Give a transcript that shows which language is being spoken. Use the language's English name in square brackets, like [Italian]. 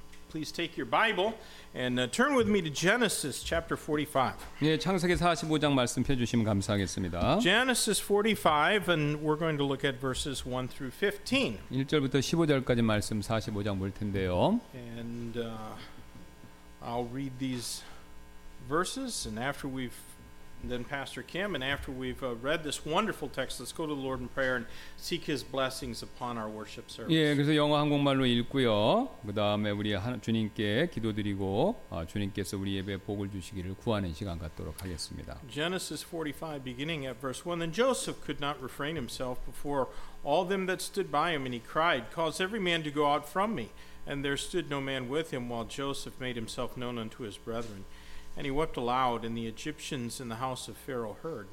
[English] Please take your Bible and turn with me to Genesis chapter 45. [Korean] 예, 창세기 45장 말씀 펴 주시면 감사하겠습니다. [English] Genesis 45 and we're going to look at verses 1 through 15. [Korean] 1절부터 15절까지 말씀 45장 볼 텐데요. [English] And I'll read these verses and after we've then Pastor Kim and after we've read this wonderful text let's go to the Lord in prayer and seek his blessings upon our worship service. [Korean] 예, 그래서 영어 한국말로 읽고요. 그다음에 우리 주님께 기도드리고 주님께서 우리 예배에 복을 주시기를 구하는 시간 갖도록 하겠습니다. [English] Genesis 45 beginning at verse 1 then Joseph could not refrain himself before all them that stood by him and he cried cause every man to go out from me and there stood no man with him while Joseph made himself known unto his brethren. And he wept aloud, and the Egyptians in the house of Pharaoh heard.